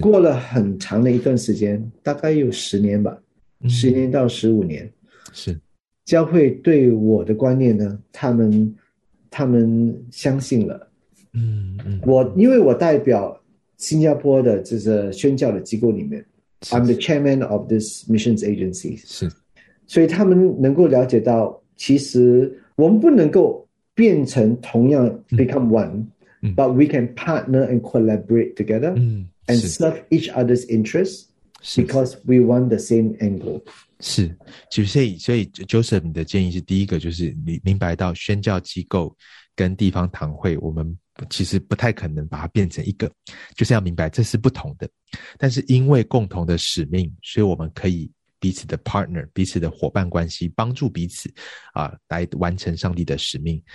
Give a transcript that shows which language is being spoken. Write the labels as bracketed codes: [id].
[zh] 过了很长的一段时间，大概有十年吧，十年到十五年。是教会对我的观念呢，他们相信了。嗯，因为我代表新加坡的这个宣教的机构里面， [en] I'm the chairman of this missions agency。 [zh] 是，所以他们能够了解到其实我们不能够变成同样 [en] become one、but we can partner and collaborate together、and serve each other's interests because we want the same angle。 [zh] 是，所以 Joseph 的建议是，第一个就是你明白到宣教机构跟地方堂会我们其实不太可能把它变成一个，就是要明白这是不同的，但是因为共同的使命，所以我们可以彼此的 partner， 彼此的伙伴关系，帮助彼此来完成上帝的使命。